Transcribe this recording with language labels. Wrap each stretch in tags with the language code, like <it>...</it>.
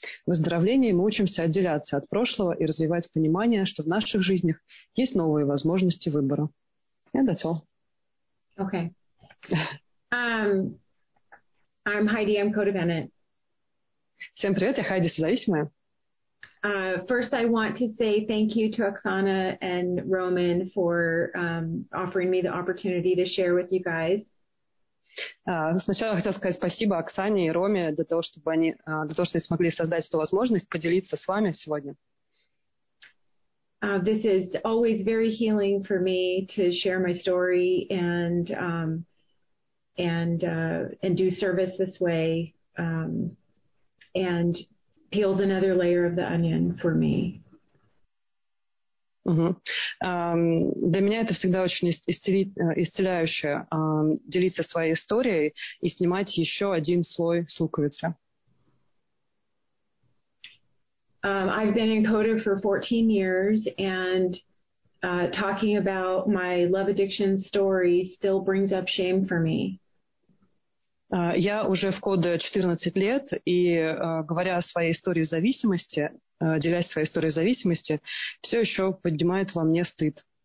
<ru>В выздоровлении мы учимся отделяться от прошлого и развивать понимание, что в наших жизнях есть новые возможности выбора.</ru> <en>And that's all. Okay. I'm Heidi, I'm codependent.</en> <ru>Всем привет, я Хайди, созависимая.</ru> <en>First, I want to say thank you to Оксана and Roman for offering me the opportunity to share with you guys.</en> <ru>Сначала я хотела сказать спасибо Оксане и Роме для того, чтобы они смогли создать эту возможность поделиться с вами сегодня.</ru> <en>This is always very healing for me to share my story and do service this way and peels another layer of the onion for me.</en> <ru>Для меня это всегда очень исцеляюще делиться своей историей и снимать еще один слой с луковицы.</ru> <en>I've been in CODA for 14 years, and talking about my love addiction story still brings up shame for me.</en> <ru>Я уже в CODA 14 лет, и говоря о своей истории зависимости, делясь своей историей зависимости, все еще поднимает во мне стыд.</ru>